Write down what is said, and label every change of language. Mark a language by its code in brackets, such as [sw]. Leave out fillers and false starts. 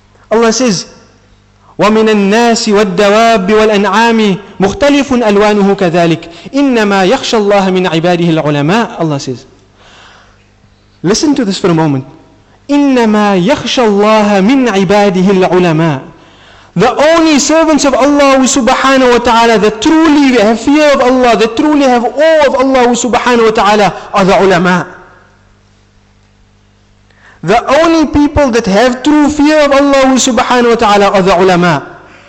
[en] Allah says, [ar] ومن الناس والدواب والأنعام مختلف ألوانه كذلك إنما يخشى الله من عباده العلماء. [en] Allah says, listen to this for a moment. [ar] إنما يخشى الله من عباده العلماء. [en] The only servants of Allah subhanahu wa ta'ala that truly have fear of Allah, that truly have awe of Allah subhanahu wa ta'ala, are the ulama. The only people that have true fear of Allah subhanahu wa ta'ala are the ulama.